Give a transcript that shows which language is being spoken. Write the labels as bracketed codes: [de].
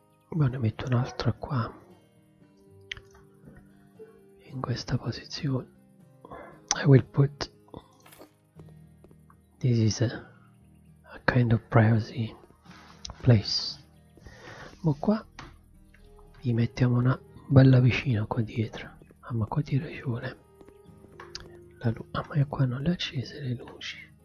[it] Ma ne metto un'altra qua in questa posizione. [en] I will put this is a kind of privacy place. [it] Ma qua gli mettiamo una bella vicina qua dietro. Ah, ma qua dietro ci vuole la luce. Ah, ma io qua non le ho accese le luci.